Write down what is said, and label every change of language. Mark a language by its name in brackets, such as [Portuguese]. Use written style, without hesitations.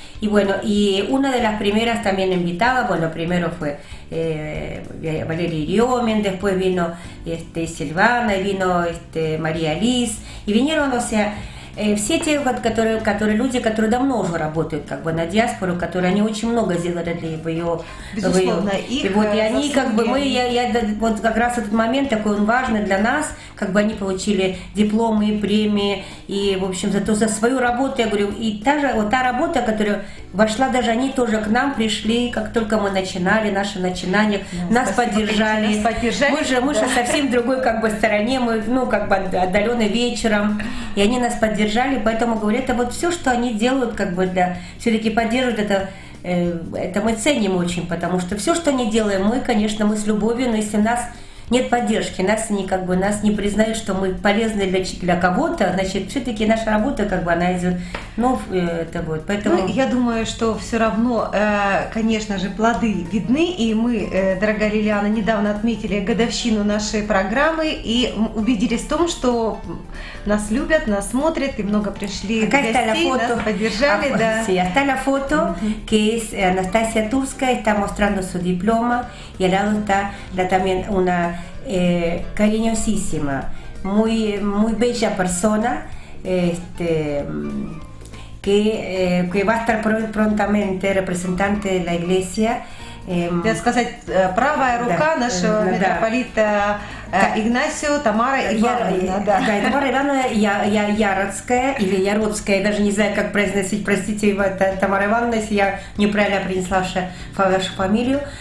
[Spanish] Y bueno, y una de las primeras también invitadas, bueno, primero fue Valeria Riomen, después vino Silvana, y vino María Liz, y vinieron, o sea, [Russian] все те, которые люди, которые давно уже работают как бы на диаспору, которые они очень много сделали для ее, безусловно, их и вот и они как бы мы, я вот как раз этот момент такой он важный для нас, как бы они получили дипломы и премии, и в общем за свою работу, я говорю, и та же вот та работа, которая вошла, даже они тоже к нам пришли, как только мы начинали наше начинание, нас поддержали, мы же совсем другой как бы стороне, мы ну как бы отдаленно вечером, и они нас поддержали, поэтому говорю, это вот все, что они делают, как бы для все-таки поддерживают это это мы ценим очень, потому что все, что не делаем мы, конечно, мы с любовью, но если нас нет поддержки, нас они как бы нас не признают, что мы полезны для кого-то, значит, все-таки наша работа, как бы, она идет, ну, это вот. Поэтому... Ну, я думаю, что все равно, конечно же, плоды видны, и мы, дорогая Лилиана, недавно отметили годовщину нашей программы и убедились в том, что нас любят, нас смотрят, и много пришли гостей, нас поддержали. Да. [Spanish] Sí, hasta la foto, que es Anastasia Turska, está mostrando su diploma, y al lado está la, también una cariñosísima, muy, muy bella persona, este, que va a estar prontamente representante de la iglesia. Quiero decir, [Russian] правая рука нашего митрополита Игнасио Тамара Ивановна. Да, Тамара Ивановна Яроцкая, или Яроцкая, даже не знаю, как произносить, простите, Тамара Ивановна, если я неправильно принесла вашу фамилию.